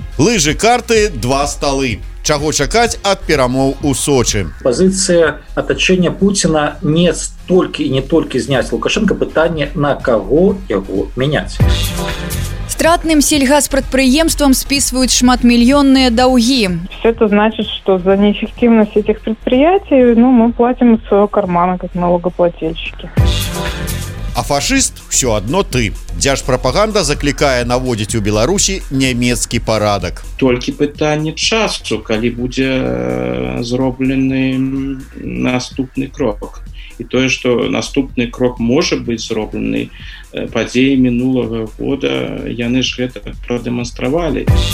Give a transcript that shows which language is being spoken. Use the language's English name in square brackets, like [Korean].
[Belarusian] Лыжы, карты, два сталы. Чаго чакаць ад перамоў у Сочы? Пазіцыя атачэння Пуціна не столькі і не толькі зняць Лукашэнка, пытанне, на каго яго мяняць. Стратным сельгаспрадпрыемствам спісваюць шматмільённыя даўгі. [Russian] Все это значит, что за неэффективность этих предприятий мы платим из своего кармана, как налогоплательщики. А фашист все одно ты. [Belarusian] Дзяржпрапаганда заклікае наводзіць у Беларусі нямецкі парадак. Толькі пытанне часу, калі будзе зроблены наступны крок. І тое, што наступны крок можа быць зроблены, падзеі мінулага года, яны ж гэта прадэманстравалі.